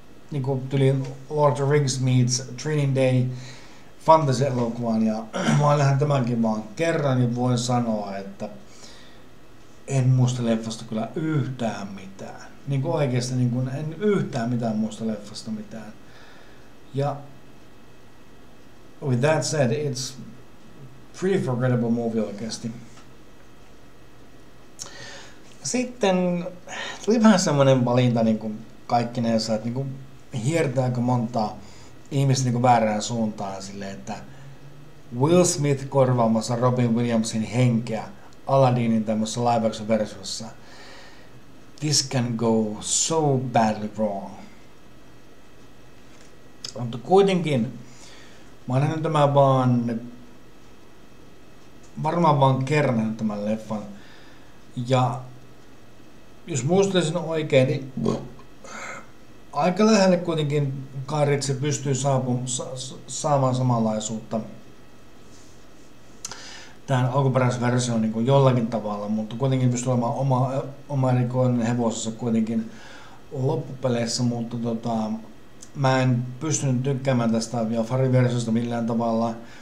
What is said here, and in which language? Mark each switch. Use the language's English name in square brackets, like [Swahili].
[Finnish] Niin kuin tuli Lord of the Rings meets Training Day fantasy-elokuvan. Ja mä lähden tämänkin vaan kerran ja voin sanoa, että en muista leffasta kyllä yhtään mitään. Niin kuin oikeasti niin kuin en yhtään mitään muista leffasta mitään. [English] Ja with that said, it's pretty forgettable movie [Finnish] oikeasti. Sitten tuli vähän semmoinen valinta niin kuin kaikkinensa, että niin kuin hiertääkö montaa ihmistä niin kuin väärään suuntaan silleen, että Will Smith korvaamassa Robin Williamsin henkeä Aladdinin tämmössä live action -versiossa. [English] This can go so badly wrong. [Finnish] Mutta kuitenkin mä oon nähnyt tämän varmaan vaan kerran nähnyt tämän leffan. Ja jos muistelisin oikein, niin aika lähelle kuitenkin Kairitse pystyy saamaan samanlaisuutta tämän alkuperäisen version niin jollakin tavalla, mutta kuitenkin pystyy olemaan oma erikoinen hevosessa kuitenkin loppupeleissä, mutta mä en pystynyt tykkäämään tästä vielä Fari-versiosta millään tavalla.